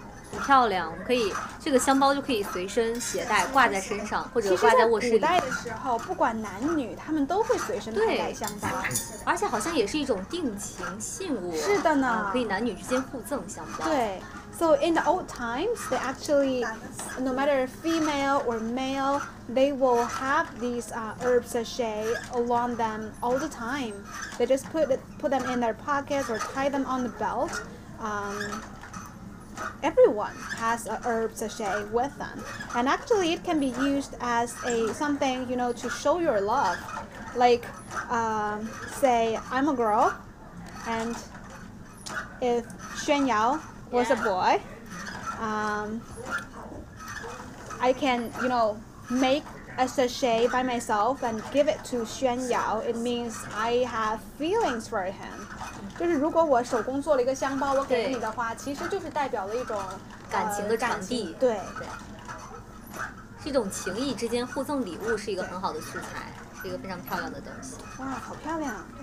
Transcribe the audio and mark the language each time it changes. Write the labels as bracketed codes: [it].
[zh] 很漂亮，可以这个香包就可以随身携带，挂在身上或者挂在卧室里。古代的时候，不管男女，他们都会随身佩戴香包，而且好像也是一种定情信物。是的呢，可以男女之间互赠香包。对。 [en] So in the old times, they actually, no matter female or male, they will have these herb sachet along them all the time. They just put them in their pockets or tie them on the belt. Everyone has a herb sachet with them. And actually it can be used as a something, you know, to show your love. Like, say I'm a girl, and if Xuan Yao was a boy, I can, you know, make a sachet by myself and give it to Xuan Yao. It means I have feelings for him. [zh] 就是如果我手工做了一个香包，我给你的话，其实就是代表了一种感情的传递。对，是一种情谊之间互赠礼物，是一个很好的素材，是一个非常漂亮的东西。哇，好漂亮！